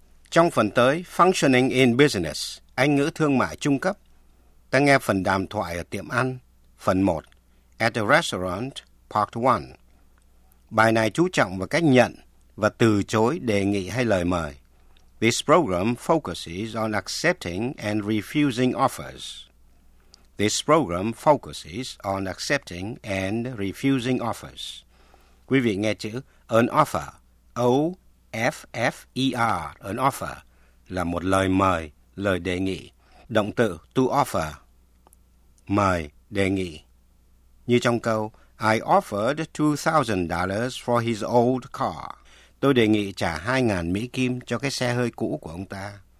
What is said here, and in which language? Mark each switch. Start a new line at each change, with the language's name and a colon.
Vietnamese: Trong phần tới, Functioning in Business, Anh ngữ thương mại trung cấp, ta nghe phần đàm thoại ở tiệm ăn, phần 1, At the Restaurant, Part 1. Bài này chú trọng vào cách nhận và từ chối đề nghị hay lời mời.
English: This program focuses on accepting and refusing offers. This program focuses on accepting and refusing offers.
Vietnamese: Quý vị nghe chữ an offer, O-F-F-E-R, an offer, là một lời mời, lời đề nghị. Động từ to offer, mời, đề nghị.
English: Như trong câu, I offered $2,000 for his old car.
Vietnamese: Tôi đề nghị trả 2,000 Mỹ Kim cho cái xe hơi cũ của ông ta.